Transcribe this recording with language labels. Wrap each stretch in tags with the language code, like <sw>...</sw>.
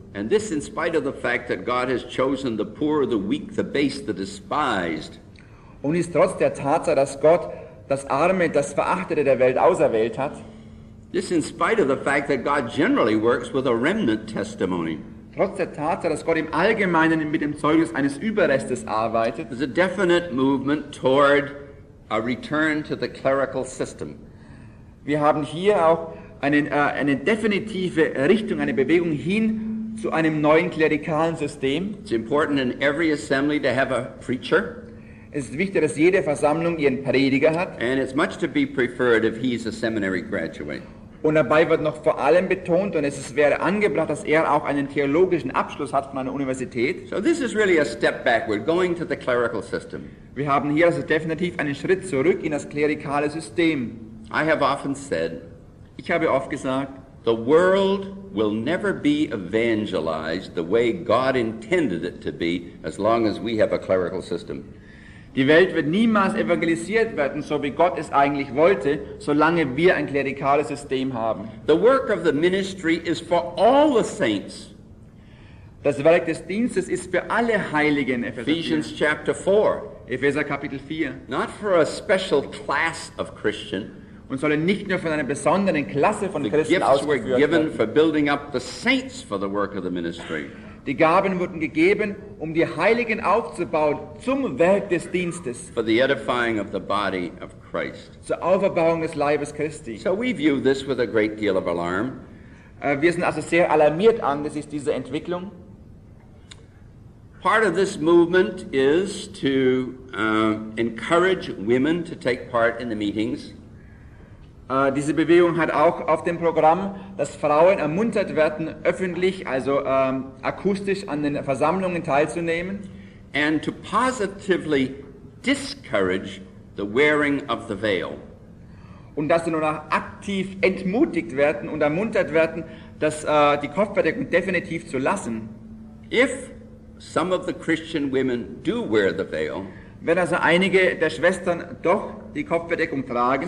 <en>And this in spite of the fact that God has chosen the poor, the weak, the base, the despised.</en> <de>Und ist trotz der Tatsache, dass Gott das Arme, das Verachtete der Welt auserwählt hat.</de> <en>This in spite of the fact that God generally works with a remnant testimony.</en> <de>Trotz der Tatsache, dass Gott im Allgemeinen mit dem Zeugnis eines Überrestes arbeitet,</de> <en>there's a definite movement toward a return to the clerical system.</en> <de>Wir haben hier auch eine definitive Richtung, eine Bewegung hin zu einem neuen klerikalen System.</de> <en>It's important in every assembly to have a preacher.</en> <de>Es ist wichtig, dass jede Versammlung ihren Prediger hat.</de> <en>And it's much to be preferred if he's a seminary graduate.</en> <de>Und dabei wird noch vor allem betont, und es wäre angebracht, dass er auch einen theologischen Abschluss hat von einer Universität.</de> <en>So this is really a step backward, going to the clerical system.</en> <de>Wir haben hier also definitiv einen Schritt zurück in das klerikale System.</de> <en>I have often said,</en> <de>ich habe oft gesagt,</de> <en>the world will never be evangelized the way God intended it to be, as long as we have a clerical system.</en> <de>Die Welt wird niemals evangelisiert werden, so wie Gott es eigentlich wollte, solange wir ein klerikales System haben.</de> <en>The work of the ministry is for all the saints.</en> <de>Das Werk des Dienstes ist für alle Heiligen.</de> <en>Ephesians chapter 4.</en> <de>Epheser Kapitel 4.</de> <en>Not for a special class of Christian.</en> <de>Und sollen nicht nur von einer besonderen Klasse von Christen ausgeführt werden.</de> <en>The gifts were given for building up the saints for the work of the ministry.</en> <de>Die Gaben wurden gegeben, um die Heiligen aufzubauen zum Werk des Dienstes.</de> <en>For the edifying of the body of Christ.</en> <de>Zur Auferbauung des Leibes Christi.</de> <en>So we view this with a great deal of alarm.</en> <de>Wir sind also sehr alarmiert angesichts dieser Entwicklung.</de> <en>Part of this movement is to encourage women to take part in the meetings.</en> <de>Diese Bewegung hat auch auf dem Programm, dass Frauen ermuntert werden, öffentlich, also akustisch an den Versammlungen teilzunehmen.</de> <en>And to positively discourage the wearing of the veil.</en> <de>Und dass sie nun auch aktiv entmutigt werden und ermuntert werden, dass die Kopfbedeckung definitiv zu lassen.</de> <en>If some of the Christian women do wear the veil,</en> <de>wenn also einige der Schwestern doch die Kopfbedeckung tragen,</de>